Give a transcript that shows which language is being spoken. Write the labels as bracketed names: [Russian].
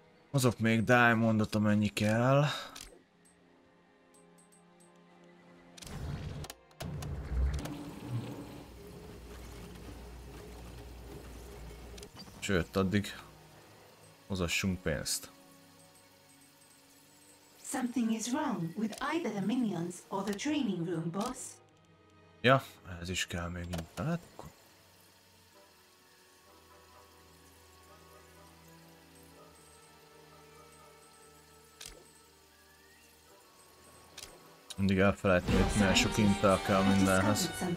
[Hungarian] Hozok még Diamondot, amennyi kell. Sőt, addig hozassunk pénzt. [English] Something is wrong with either the minions or the training room, boss. [Hungarian] Ja, ez is kell még internet. Mindig elfelejtni, hogy milyen sok intel kell mindenhez.